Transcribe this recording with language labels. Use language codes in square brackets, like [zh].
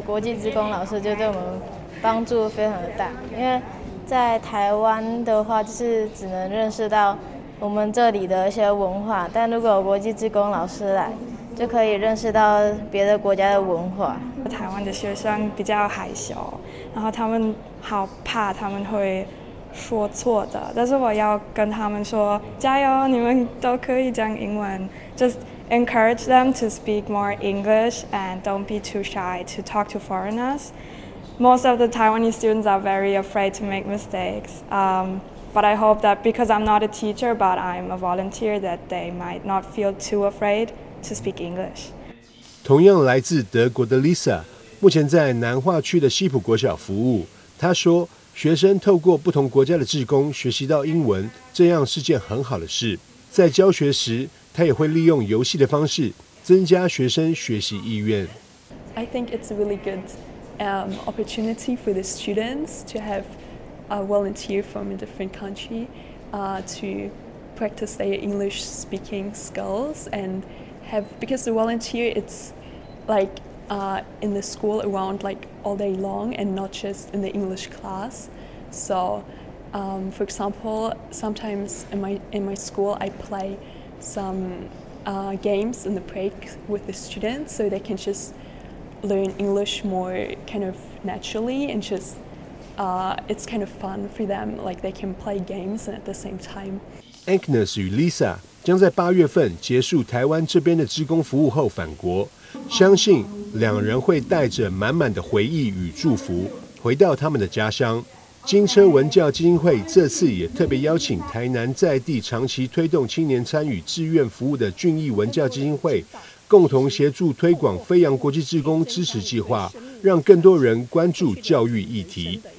[zh] 国际志工老师就对我们帮助非常的大，因为在台湾的话就是只能认识到我们这里的一些文化，但如果有国际志工老师来，就可以认识到别的国家的文化。台湾的学生比较害羞，然后他们好怕他们会说错的，但是我要跟他们说加油，你们都可以讲英文。 [en] Just encourage them to speak more English and don't be too shy to talk to foreigners. Most of the Taiwanese students are very afraid to make mistakes. But I hope that because I'm not a teacher but I'm a volunteer that they might not feel too afraid to speak English. [zh] 同样来自德国的 Lisa 目前在南化区的西浦国小服务，她说学生透过不同国家的志工学习到英文，这样是件很好的事。在教学时，他也会利用游戏的方式增加学生学习意愿。 [en] I think it's a really good opportunity for the students to have a volunteer from a different country to practice their English speaking skills and have, because the volunteer it's like in the school around like all day long and not just in the English class. So, for example, sometimes in my school I play some games in the break with the students so they can just learn English more kind of naturally and just it's kind of fun for them, like they can play games at the same time. [zh] Agnes 与 Lisa 将在八月份结束台湾这边的志工服务后返国，相信两人会带着满满的回忆与祝福回到他们的家乡。金车文教基金会这次也特别邀请台南在地长期推动青年参与志愿服务的俊逸文教基金会，共同协助推广飞扬国际志工支持计划，让更多人关注教育议题。